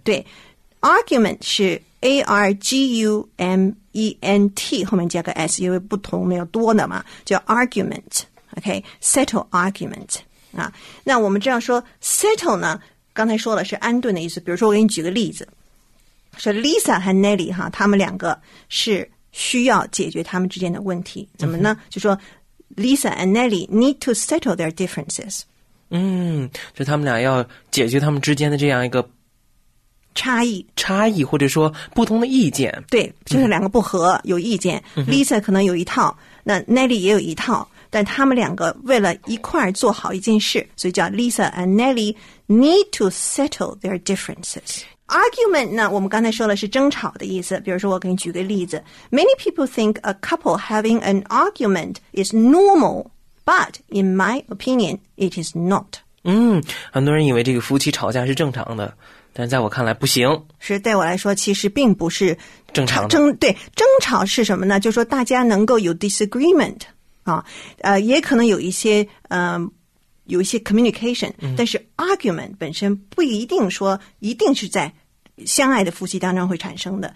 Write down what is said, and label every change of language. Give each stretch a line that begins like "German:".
Chinese: 对 ，argument 是 a r g u m e n t 后面加个 s， 因为不同没有多的嘛，叫 argument。 OK，settle argument 啊，那我们知道说 settle 呢，刚才说了是安顿的意思。比如说我给你举个例子，说 Lisa 和 Nelly 哈，他们两个是。需要解决他们之间的问题，怎么呢？嗯、就说
English: Lisa and Nelly need to settle their differences。
Chinese: 嗯，就他们俩要解决他们之间的这样一个差异，差异或者说不同的意见。对，就是两个不合、嗯、有意见 ，Lisa 可能有一套，那 Nelly 也有一套，但他们两个为了一块儿做好一件事，所以叫
English: Lisa and Nelly need to settle their differences。
Chinese: Argument 呢，我们刚才说了是争吵的意思。比如说，我给你举个例子
English: ：Many people think a couple having an argument is normal, but in my opinion, it is not.
Chinese: 嗯，很多人以为这个夫妻吵架是正常的，但在我看来不行。是，对我来说，其实并不是正常的。争吵是什么呢？就是说大家能够有 disagreement 啊，也可能有一些有一些 communication， 但是 argument 本身不一定说一定是在相爱的夫妻当中会产生的、